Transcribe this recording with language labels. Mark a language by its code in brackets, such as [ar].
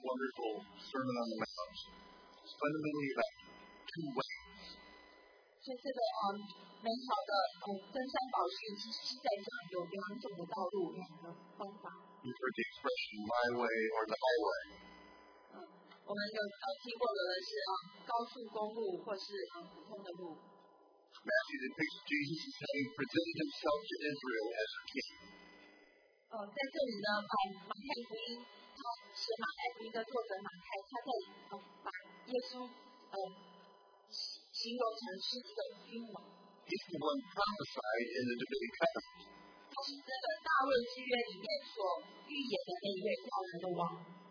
[en] wonderful Sermon on the Mount is fundamentally about two ways. [zh] 所以这个美好的登山宝训其实是在讲有两种的道路，两个方法。 [en] You've heard the expression, my way or the highway. Matthew depicts Jesus as having presented himself to Israel as a king. He's the one prophesied in the Davidic covenant.